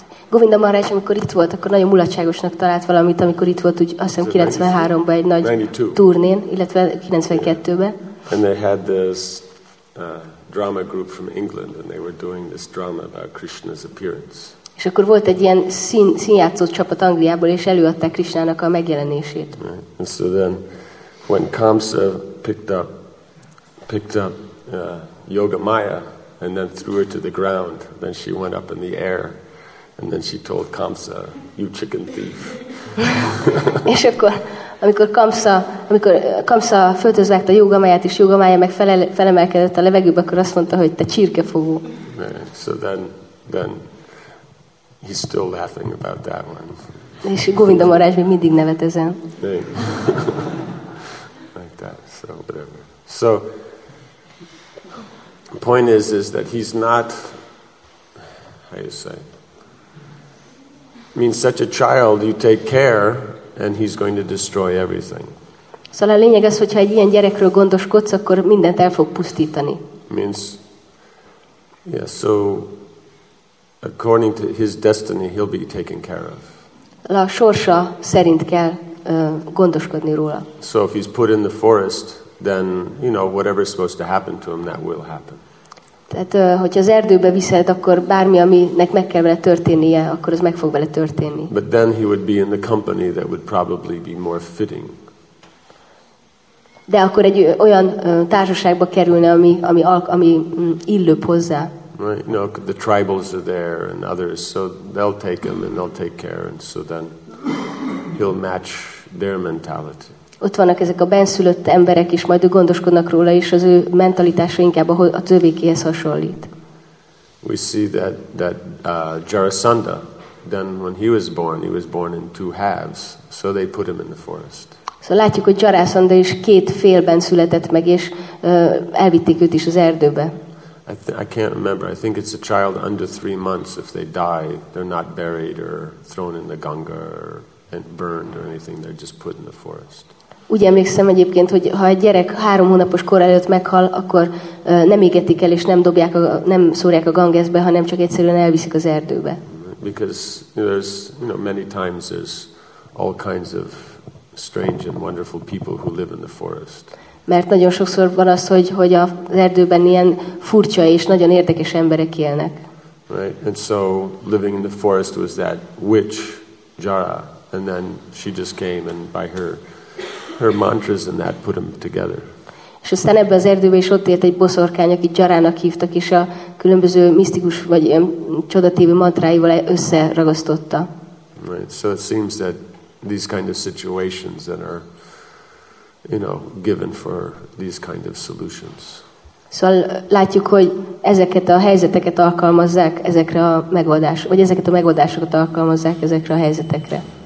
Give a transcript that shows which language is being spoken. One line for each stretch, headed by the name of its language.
Hungarian: Govinda Maharaj, amikor itt volt, akkor nagyon mulatságosnak talált valamit, amikor itt volt, úgy, azt hiszem 93-ban egy nagy 92. turnén, illetve 92-ben.
English: Yeah. And they had this drama group from England, and they were doing this drama about Krishna's appearance.
Hungarian: És akkor volt egy ilyen színjátszó csapat Angliából, és előadták Krishnának a megjelenését.
English: Right. And so then, when Kamsa picked up Yoga Maya, and then threw her to the ground, then she went up in the air, and then she told Kamsa, "You chicken thief."
Hungarian: És akkor, amikor Kamsa földhöz vágta a Jógamáját, és Jógamája meg felemelkedett a levegőbe, akkor azt mondta, hogy te csirkefogó.
English: So then he's still laughing about that one.
Hungarian: És Govinda Maharaj még mindig nevet ezen.
English: Like that, so whatever. So the point is that he's not, how you say, means such a child, you take care, and he's going to destroy everything.
Hungarian: Szóval a lényeg az, hogyha egy ilyen gyerekről gondoskodsz, akkor mindent el fog pusztítani.
English: Means, yeah, so according to his destiny, he'll be taken care of.
Hungarian: A sorsa szerint kell gondoskodni róla.
English: So if he's put in the forest, then, you know, whatever's supposed to happen to him, that will happen.
Hungarian: Tehát, hogyha az erdőbe viszed, akkor bármi, aminek meg kell vele történnie, akkor az meg fog vele történni.
English: But then he would be in the company that would probably be more fitting.
Hungarian: De akkor egy olyan társaságba kerülne, ami illőbb hozzá.
English: Right, you know, the tribals are there and others, so they'll take him and they'll take care, and so then he'll match their mentality.
Hungarian: Ott vannak ezek a benszülött emberek is, majd ők gondoskodnak róla, és az ő mentalitása inkább a tövékéhez hasonlít.
English: We see that Jarasandha, then when he was born in two halves, so they put him in the forest.
Hungarian: Szóval látjuk, hogy Jarasandha is két félben született meg, és elvitték őt is az erdőbe.
English: I can't remember. I think it's a child under 3 months. If they die, they're not buried or thrown in the Ganga or burned or anything. They're just put in the forest.
Hungarian: Úgy emlékszem egyébként, hogy ha egy gyerek 3 hónapos kor előtt meghal, akkor nem égetik el, és nem szórják a Gangesbe, hanem csak egyszerűen elviszik az erdőbe.
English: Because there's, you know, many times there's all kinds of strange and wonderful people who live in the forest.
Hungarian: Mert nagyon sokszor van az, hogy az erdőben ilyen furcsa és nagyon érdekes emberek élnek.
English: Right? And so living in the forest was that witch, Jara. And then she just came and by her mantras and that put them together.
Hungarian: És aztán ebben az erdőben is ott élt egy boszorkány, akit Jarának hívtak, és a különböző misztikus vagy ilyen csodatévő mantráival összeragasztotta.
English: Right. So it seems that these kind of situations that are, you know, given for these kind of solutions.
Hungarian: Szóval látjuk, hogy ezeket a helyzeteket alkalmazzák ezekre a megoldás, vagy ezeket a megoldásokat alkalmazzák ezekre a helyzetekre.